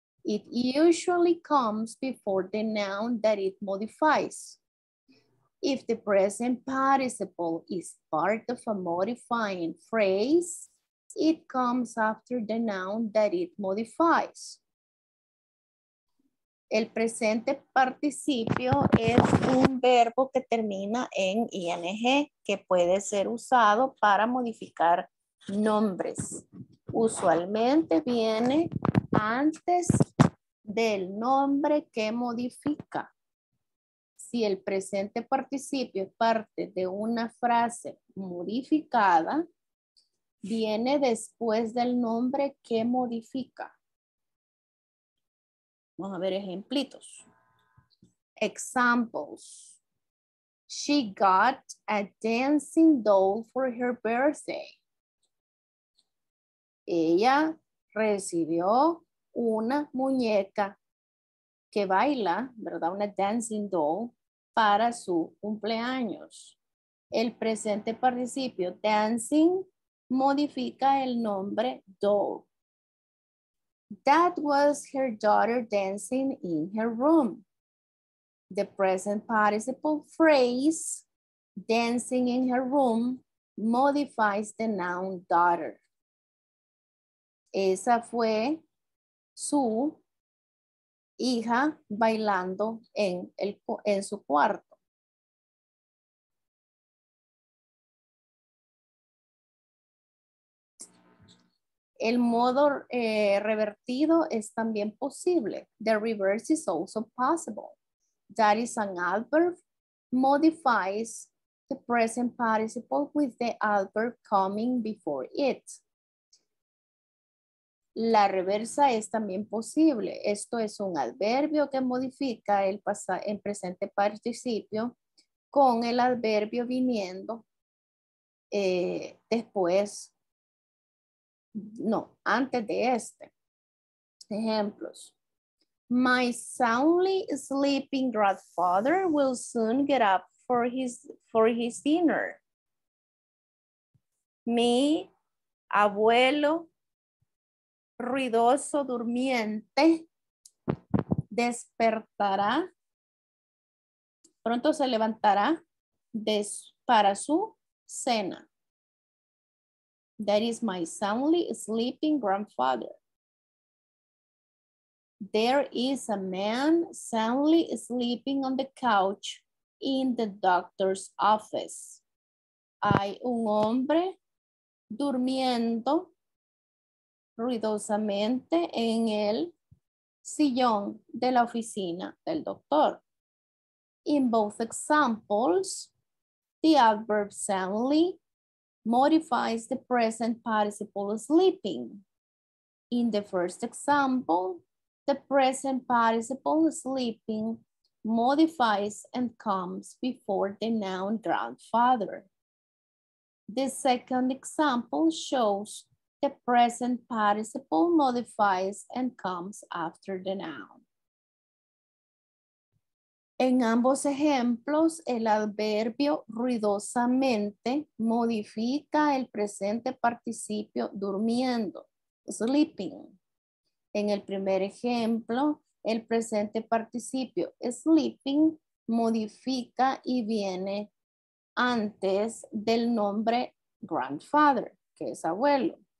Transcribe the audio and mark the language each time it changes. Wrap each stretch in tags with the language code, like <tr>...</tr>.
<en>It usually comes before the noun that it modifies. If the present participle is part of a modifying phrase, it comes after the noun that it modifies.</en> <es>El presente participio es un verbo que termina en ing que puede ser usado para modificar nombres. Usualmente viene antes del nombre que modifica. Si el presente participio es parte de una frase modificada, viene después del nombre que modifica. Vamos a ver ejemplitos.</es> <en>Examples. She got a dancing doll for her birthday.</en> <es>Ella recibió una muñeca que baila, ¿verdad? Una</es> <en>dancing doll</en> <es>para su cumpleaños. El presente participio dancing modifica el nombre doll.</es> <en>That was her daughter dancing in her room. The present participle phrase, dancing in her room, modifies the noun daughter.</en> <es>Esa fue su hija bailando en su cuarto. El modo revertido es también posible.</es> <en>The reverse is also possible. That is an adverb modifies the present participle with the adverb coming before it.</en> <es>La reversa es también posible. Esto es un adverbio que modifica el en presente participio con el adverbio viniendo después. No, antes de este. Ejemplos.</es> <en>My soundly sleeping grandfather will soon get up for his dinner.</en> <es>Mi abuelo ruidoso durmiente despertará, pronto se levantará para su cena.</es> <en>That is my soundly sleeping grandfather. There is a man soundly sleeping on the couch in the doctor's office.</en> <es>Hay un hombre durmiendo ruidosamente en el sillón de la oficina del doctor.</es> <en>In both examples, the adverb soundly modifies the present participle sleeping. In the first example, the present participle sleeping modifies and comes before the noun grandfather. The second example shows the present participle modifies and comes after the noun.</en> <es>En ambos ejemplos, el adverbio ruidosamente modifica el presente participio durmiendo, sleeping. En el primer ejemplo, el presente participio sleeping modifica y viene antes del nombre grandfather, que es abuelo.</es>